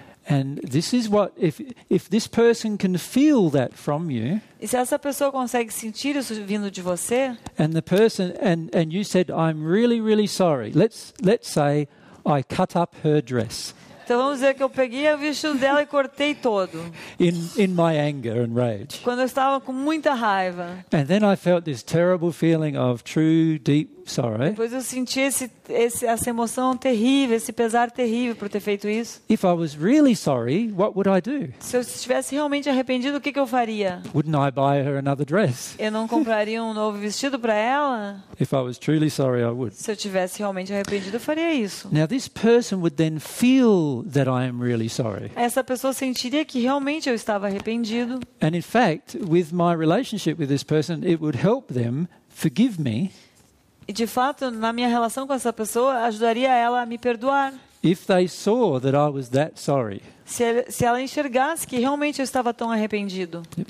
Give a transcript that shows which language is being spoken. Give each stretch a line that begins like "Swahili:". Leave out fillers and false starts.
English: And this is what if this person can feel that from you.
Portuguese: E se essa pessoa consegue sentir isso vindo de você?
English: And the person and you said I'm really really sorry. Let's say I cut up her dress.
Portuguese: Então vamos dizer que eu peguei o vestido dela e cortei todo.
English: In my anger and rage.
Portuguese: Quando eu estava com muita raiva.
English: And then I felt this terrible feeling of true deep sorrow.
Portuguese: Depois eu senti essa emoção terrível, esse pesar terrível por ter feito isso.
English: If I was really sorry, what would I do?
Portuguese: Se eu estivesse realmente arrependido, o que eu faria?
English: Wouldn't I buy her another dress?
Portuguese: Eu não compraria novo vestido para ela?
English: If I was truly sorry, I would.
Portuguese: Se eu estivesse realmente arrependido, eu faria isso.
English: Now this person would then feel that I am really sorry.
Portuguese: Essa pessoa sentiria que realmente eu estava arrependido.
English: And in fact, with my relationship with this person, it would help them forgive me.
Portuguese: E de fato, na minha relação com essa pessoa, ajudaria ela a me perdoar.
English: If they saw that I was that sorry.
Portuguese: Se ela enxergasse que realmente eu estava tão arrependido.